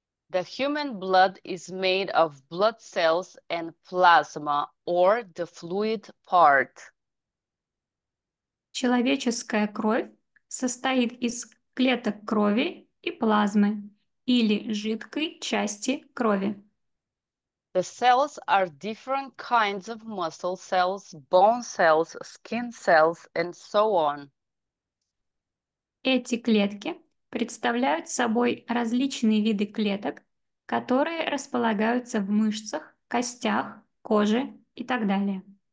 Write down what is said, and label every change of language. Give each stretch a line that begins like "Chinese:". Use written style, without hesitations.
English: The human blood is made of blood cells and plasma, or the fluid part.
Russian: Человеческая кровь состоит из клеток крови и плазмы, или жидкой части крови.
English: The cells are different kinds of muscle cells, bone cells, skin cells, and so on.
Russian: Эти клетки представляют собой различные виды клеток, которые располагаются в мышцах, костях, коже и так далее.